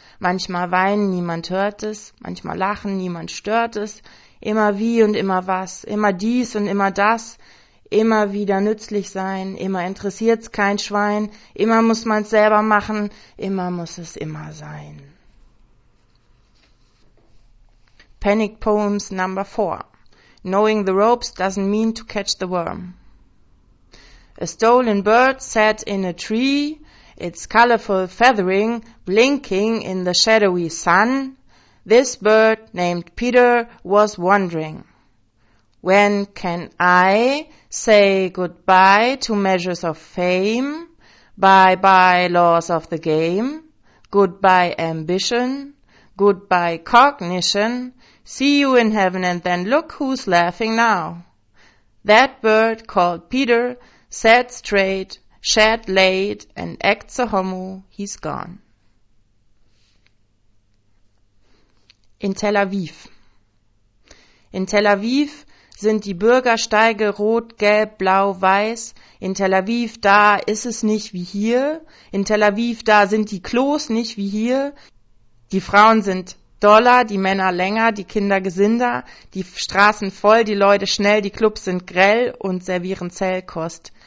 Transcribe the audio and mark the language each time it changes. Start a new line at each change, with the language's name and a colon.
German: Manchmal weinen, niemand hört es, manchmal lachen, niemand stört es. Immer wie und immer was, immer dies und immer das, immer wieder nützlich sein, immer interessiert's kein Schwein, immer muss man's selber machen, immer muss es immer sein.
English: Panic Poems Number 4. Knowing the ropes doesn't mean to catch the worm. A stolen bird sat in a tree, its colorful feathering blinking in the shadowy sun. This bird named Peter was wondering, when can I say goodbye to measures of fame, bye-bye laws of the game, goodbye ambition, Goodbye, cognition. See you in heaven and then look who's laughing now. That bird called Peter sat straight, shat late, and acts a homo, he's gone.
German: In Tel Aviv sind die Bürgersteige rot, gelb, blau, weiß. In Tel Aviv, da ist es nicht wie hier. In Tel Aviv, da sind die Klos nicht wie hier. Die Frauen sind doller, die Männer länger, die Kinder gesinder, die Straßen voll, die Leute schnell, die Clubs sind grell und servieren Zellkost.